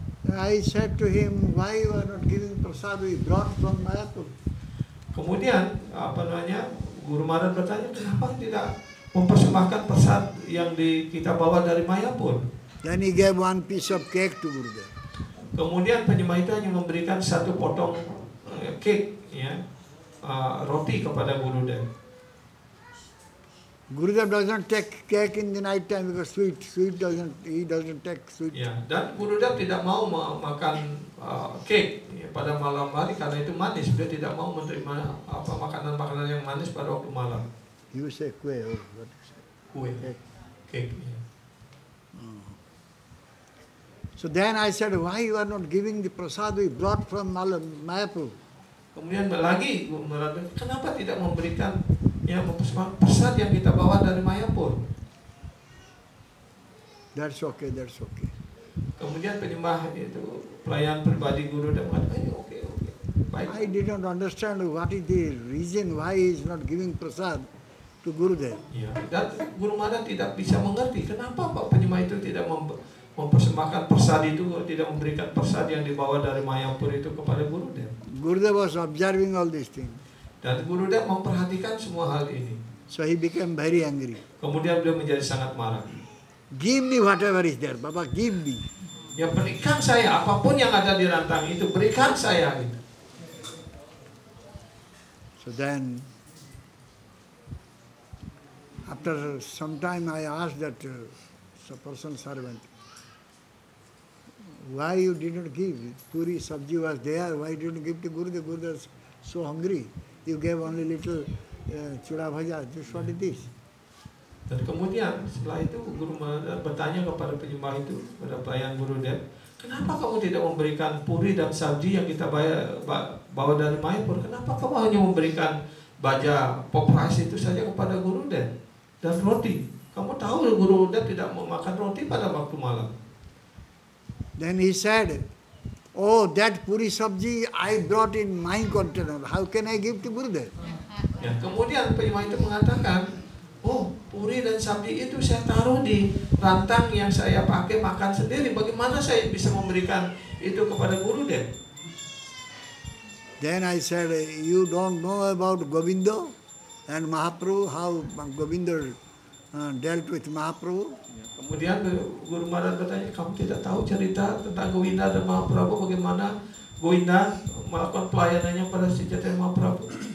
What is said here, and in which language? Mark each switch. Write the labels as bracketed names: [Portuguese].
[English] I said to him, why you are not giving prasad? We brought from Mayapur. [Indonesian] Kemudian apa namanya Guru Maharaj bertanya, kenapa tidak mempersembahkan prasad yang kita bawa dari Mayapur? [English] Then he gave one piece of cake to Gurudev. [Indonesian] Kemudian penyembah itu hanya memberikan satu potong cake, ya, roti kepada Gurudev. [English] Gurudev doesn't take cake in the night time because he doesn't take sweet. [Indonesian] Ya, dan Gurudev tidak mau makan cake, ya, pada malam hari karena itu manis. Dia tidak mau menerima apa makanan-makanan yang manis pada waktu malam. [English] You say kue, what you say? Kue, cake. So then I said, why you are not giving the prasad we brought from Mayapur? [Indonesian] Kemudian lagi, kenapa tidak memberikan yang prasad yang kita bawa dari Mayapur? [English] That's okay. [Indonesian] Kemudian penyembah itu, pelayan pribadi guru dan mengatakan, okay. [English] Baik. I didn't understand what is the reason why he is not giving prasad to Gurudev. [Indonesian] Ya, dan Guru Maharaj tidak bisa mengerti kenapa Pak penyembah itu tidak mempersembahkan prasad itu, tidak memberikan prasad yang dibawa dari Mayapur itu kepada Gurudev. [English] Gurudev was observing all these things. [Indonesian] Dan Gurudev memperhatikan semua hal ini. [English] So he became very angry. [Indonesian] Kemudian beliau menjadi sangat marah. [English] Give me whatever is there, Baba, give me. [Indonesian] Ya, berikan saya apapun yang ada di rantang itu, berikan saya itu. [English] So then, after some time I asked that person servant, why you did not give? Puri sabji was there. Why did not give to Gurudev? Gurudev was so hungry. You gave only little chuda bhaja. Just what is this? [Indonesian] Dan kemudian setelah itu Guru Maharaj bertanya kepada penyembah itu, kepada pelayan Gurudev, kenapa kamu tidak memberikan puri dan sabji yang kita bawa dari Mayapur? Kenapa kamu hanya memberikan baja pop rice itu saja kepada Gurudev dan roti? Kamu tahu Gurudev tidak mau makan roti pada waktu malam. [English] Then he said, oh, that puri sabji I brought in my container. How can I give to Gurudev? [Indonesian] Ya, kemudian penyembah itu mengatakan, oh, puri dan sabji itu saya taruh di rantang yang saya pakai makan sendiri. Bagaimana saya bisa memberikan itu kepada Gurudev? [English] Then I said, you don't know about Govinda and Mahaprabhu, how Govinda dealt with Mahaprabhu. [Indonesian] Kemudian Guru Maharaj bertanya, kamu tidak tahu cerita tentang Govinda dan Mahaprabhu, bagaimana Govinda melakukan pelayanannya pada Sri Chaitanya Mahaprabhu.